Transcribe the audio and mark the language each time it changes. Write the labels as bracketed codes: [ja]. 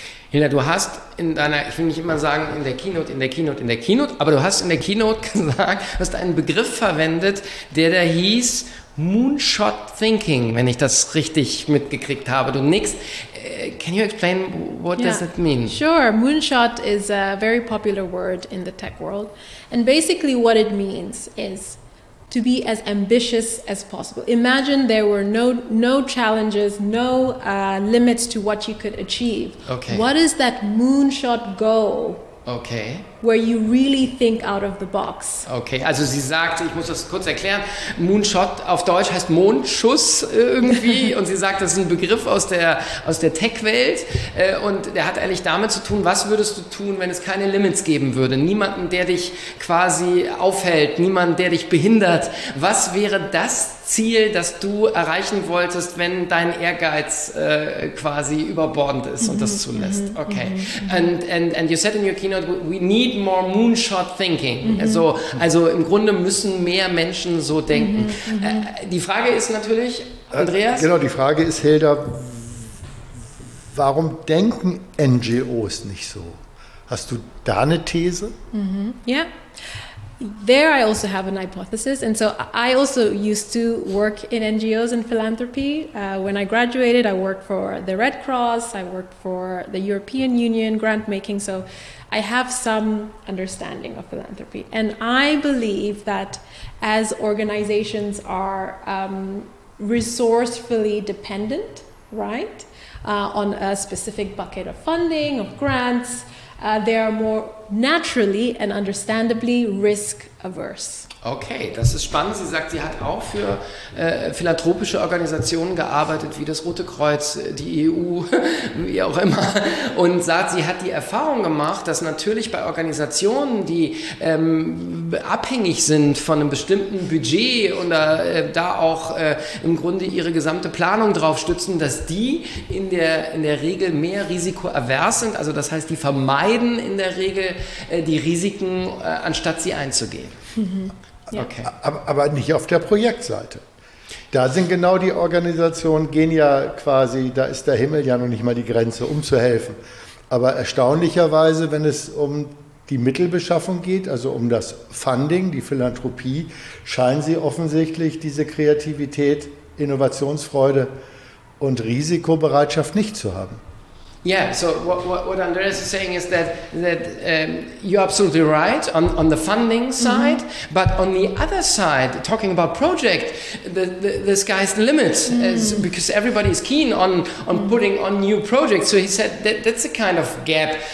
[de] Hilda, du hast in deiner, ich will nicht immer sagen, in der Keynote, aber du hast in der Keynote gesagt, hast einen Begriff verwendet, der da hieß Moonshot Thinking, wenn ich das richtig mitgekriegt habe. Du nickst. [en] Can you explain what does it mean? Sure. Moonshot is a very popular word in the tech world. And basically what it means is to be as ambitious as possible. Imagine there were no challenges, no limits to what you could achieve. Okay. What is that moonshot goal? Okay. Where you really think out of the box. [de] Okay, also sie sagt, ich muss das kurz erklären, Moonshot auf Deutsch heißt Mondschuss irgendwie und sie sagt, das ist ein Begriff aus der Tech-Welt und der hat eigentlich damit zu tun, was würdest du tun, wenn es keine Limits geben würde, niemanden, der dich quasi aufhält, niemanden, der dich behindert, was wäre das Ziel, das du erreichen wolltest, wenn dein Ehrgeiz quasi überbordend ist und das zulässt. [en] Okay. And you said in your keynote, we need more moonshot thinking. Mm-hmm. [de] Also im Grunde müssen mehr Menschen so denken. Mm-hmm. Die Frage ist natürlich, Andreas? Genau, die Frage ist, Hilda, warum denken NGOs nicht so? Hast du da eine These? Ja. Mm-hmm. Yeah. [en] There I also have an hypothesis, and so I also used to work in NGOs and philanthropy. When I graduated, I worked for the Red Cross, I worked for the European Union grant making, so I have some understanding of philanthropy. And I believe that as organizations are resourcefully dependent, right, on a specific bucket of funding, of grants, they are more naturally and understandably risk-averse. [de] Okay, das ist spannend. Sie sagt, sie hat auch für philanthropische Organisationen gearbeitet, wie das Rote Kreuz, die EU, wie auch immer. Und sagt, sie hat die Erfahrung gemacht, dass natürlich bei Organisationen, die abhängig sind von einem bestimmten Budget und da auch im Grunde ihre gesamte Planung drauf stützen, dass die in der Regel mehr risikoavers sind. Also das heißt, die vermeiden in der Regel die Risiken, anstatt sie einzugehen. Mhm. Ja. Okay. Aber nicht auf der Projektseite. Da sind genau die Organisationen, gehen ja quasi, da ist der Himmel ja noch nicht mal die Grenze, um zu helfen. Aber erstaunlicherweise, wenn es um die Mittelbeschaffung geht, also um das Funding, die Philanthropie, scheinen sie offensichtlich diese Kreativität, Innovationsfreude und Risikobereitschaft nicht zu haben. [en] Yeah, so what Andreas is saying is that you're absolutely right on the funding side, mm-hmm. but on the other side, talking about project, the sky's the limit, because everybody is keen on putting on new projects. So he said that's a kind of gap.